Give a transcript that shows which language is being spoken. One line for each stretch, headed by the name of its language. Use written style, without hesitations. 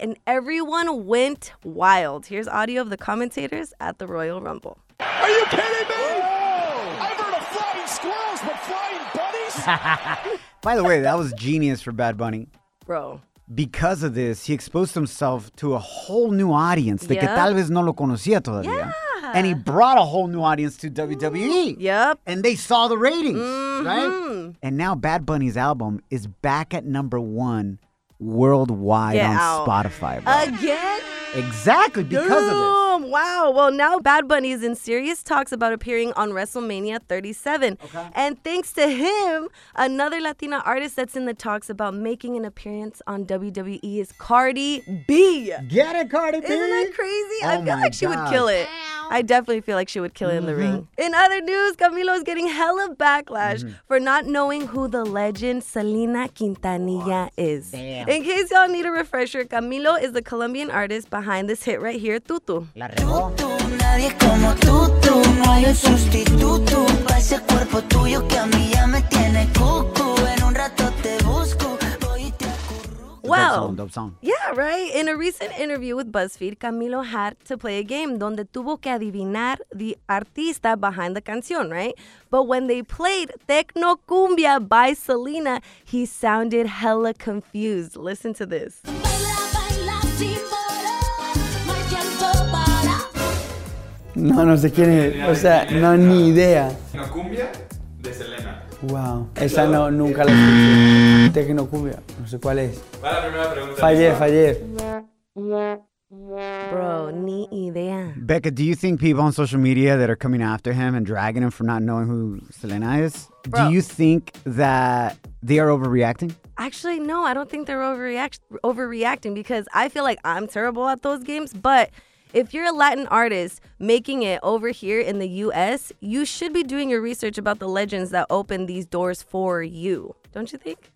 English: And everyone went wild. Here's audio of the commentators at the Royal Rumble. Are you kidding me? Squirrels, by the way, that was genius for Bad Bunny. Bro. Because of this, he exposed himself to a whole new audience. Yep.
Spanish: De que tal vez no lo conocía todavía.
English: Yeah. And he brought a whole new audience to WWE. Yep. And they saw the ratings, mm-hmm. right? And now Bad Bunny's album is back at number one worldwide Spotify. Bro. Again? Exactly, because Damn, of this. Wow. Well, now Bad Bunny is in serious talks about appearing on WrestleMania 37. Okay. And thanks to him, another Latina artist that's in the talks about making an appearance on WWE is Cardi B. Get it, Cardi B. Isn't that crazy? Oh, I feel like she would kill it. I definitely feel like she would kill it in the ring. In other news, Camilo is getting hella backlash for not knowing who the legend Selena Quintanilla is. Damn. In case y'all need a refresher, Camilo is the Colombian artist behind this hit right here, Tutu.
Spanish: La remo. Tutu, nadie como Tutu, no hay un sustituto. Pa' ese cuerpo tuyo que a mí ya me tiene cucu. En un rato te busco.
English: Well, dope song, dope song. Yeah, right? In a recent interview with BuzzFeed, Camilo had to play a game
Spanish: donde tuvo que adivinar
English: the artista behind the canción, right? But when they played Tecno Cumbia by Selena, he sounded hella confused. Listen to this.
Spanish: No, no sé quién es. O sea, no, ni idea. Tecno Cumbia de Selena. Wow, esa no, nunca la escuché. Tecno Cumbia, no sé cuál es. Para la primera pregunta. Fallé. Bro, ni idea.
English: Becca, do you think people on social media that are coming after him and dragging him for not knowing who Selena is, bro, do you think that they are overreacting? Actually, no, I don't think they're overreacting because I feel like I'm terrible at those games, but if you're a Latin artist making it over here in the U.S., you should be doing your research about the legends that open these doors for you, don't you think?